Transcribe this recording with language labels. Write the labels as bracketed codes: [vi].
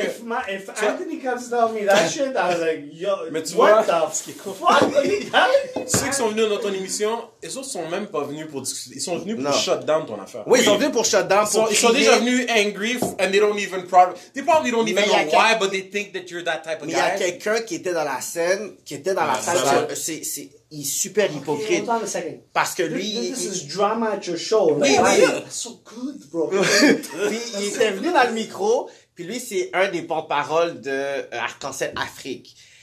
[en] If Anthony comes to me that shit, I was like, yo, what the fuck? [fr] Ceux qui sont venus dans ton émission, ils sont même pas venus pour discuter. Ils sont venus pour shut down ton affaire. Oui, ils sont venus pour shut down. Ils sont déjà venus [en] angry, and they don't even probably don't even know why, but they think that you're that type of guy. [fr] Il y a quelqu'un qui était dans la scène, qui était dans la salle. C'est. Il est super hypocrite. [en] Hold on a second. [fr] Parce que lui. [en] This is drama at your show. [fr] Oui, [en] like, [fr] oui. [en] So good, bro. [fr] Puis il était venu dans le micro. Puis lui, c'est un des porte-parole de Arc-en-Ciel Afrique.